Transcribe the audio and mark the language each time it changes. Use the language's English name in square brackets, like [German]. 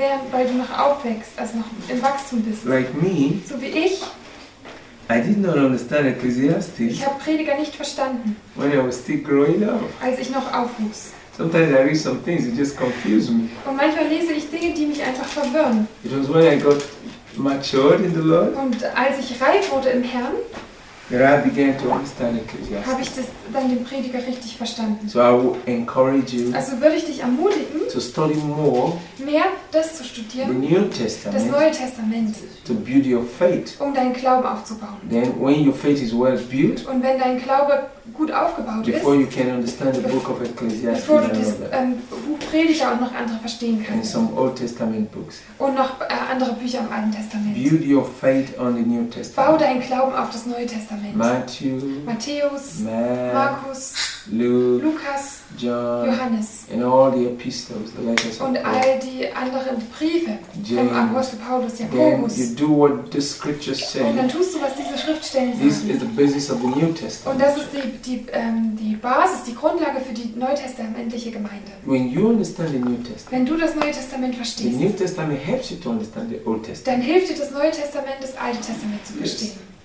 [German] weil du noch aufwächst, also noch im Wachstum bist, [English] like me, [German] so wie ich, [English] I did not understand Ecclesiastes, [German] ich habe Prediger nicht verstanden, [English] when I was still growing up, [German] als ich noch aufwuchs. [English] Sometimes I read some things, it just confuses me. [German] Und manchmal lese ich Dinge, die mich einfach verwirren. [English] It was when I got matured in the Lord, [German] und als ich reif wurde im Herrn, [English] began to understand Ecclesiastes. [German] Habe ich das dann den Prediger richtig verstanden. [English] So I will encourage you, [German] also würde ich dich ermutigen, [English] to study more, [German] mehr das zu studieren, [English] the New Testament, [German] das Neue Testament, [English] the beauty of faith, [German] um deinen Glauben aufzubauen. [English] Then when your faith is well built, [German] und wenn dein Glaube gut aufgebaut [English] before [German] ist, [English] you can understand the book of Ecclesiastes, [German] bevor du das Buch Prediger und noch andere verstehen kannst. [English] And some Old Testament books. [German] Und noch andere Bücher im Alten Testament. [English] Build your faith on the New Testament. [German] Bau deinen Glauben auf das Neue Testament. Matthäus, Markus, Lukas, [English] John, [German] Johannes [English] and all the epistles, the letters [German] und [English] of [German] all die anderen Briefe vom Apostel Paulus, Jakobus. [English] You do what the scriptures say. [German] Und dann tust du, was diese Schriftstellen [English] this [German] sagen. [English] Is the basis of the New Testament. [German] Und das ist die Basis, die Grundlage für die neutestamentliche Gemeinde. [English] When you understand the New Testament, [German] wenn du das Neue Testament verstehst, [English] the New Testament helps you to understand the Old Testament. [German] Dann hilft dir das Neue Testament, das Alte Testament zu verstehen.